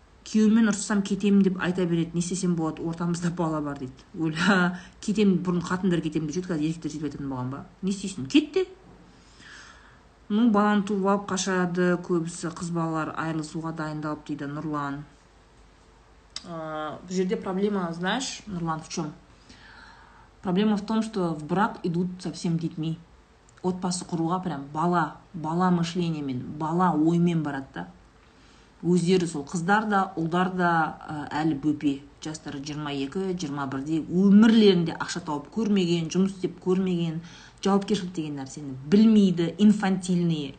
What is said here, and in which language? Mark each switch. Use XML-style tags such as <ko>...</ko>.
<kk>Күйеуіммен ұрсысам кетемін деп айта береді. Не істесем болады? Ортамызда бала бар дейді. Ойла, кетемін бұрын қатындар кетемін деп жүрді, қазір еркектер сөйтіп айтатын болған ба? Не істейсің? Кетті. Ну, баланы туып алып қашады, көбісі қыз балалар айырылысуға дайындалып дейді Нұрлан. Бұл жерде</kk> <ru>проблема, знаешь, Нұрлан, в чем? Проблема в том, что в брак идут совсем детьми.</ru> <kk>Отбасы құруға прям бала, бала мышлениемен, бала оймен барады да. Өздері сол қыздар да, ұлдар да әлі бөпе. Жастары 22-21 де өмірлерінде ақша тауып көрмеген, жұмыс істеп көрмеген, жауапкершілік деген нәрсені білмейді, инфантильные.</kk>